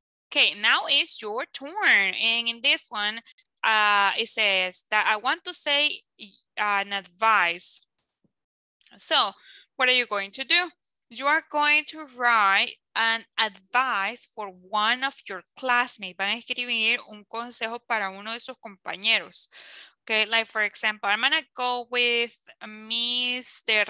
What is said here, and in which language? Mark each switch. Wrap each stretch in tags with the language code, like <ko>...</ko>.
<en>Okay, now it's your turn. And in this one, it says that I want to say an advice. So, what are you going to do? You are going to write an advice for one of your classmates.</en> <es>Van a escribir un consejo para uno de sus compañeros.</es> <en>Okay, like for example, I'm gonna go with Mr.</en>